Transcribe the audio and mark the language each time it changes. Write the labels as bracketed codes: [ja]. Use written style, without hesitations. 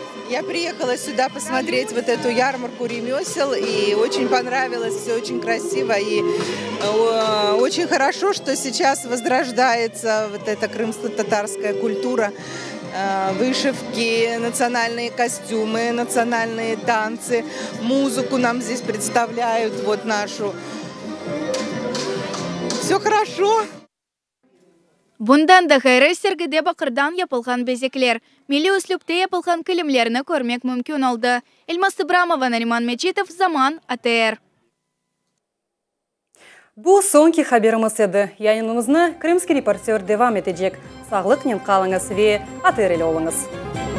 [ru] Я приехала сюда посмотреть вот эту ярмарку ремесел, и очень понравилось, все очень красиво, и очень хорошо, что сейчас возрождается вот эта крымско-татарская культура, вышивки, национальные костюмы, национальные танцы, музыку нам здесь представляют, вот нашу. Все хорошо. [crh] Бұндан да ғайры сергіде бақырдан япылған безеклер. Милі үслюпте япылған кілімлеріні көрмек мүмкін олды. Эльмас Ибрамова, Нариман Мечитов, Заман, АТР. Бұл соңғы хабарымыз еді. Яйынымызны кримский репортер девам етеджек. Сағлық нен қалыңыз ве АТР-елі олыңыз.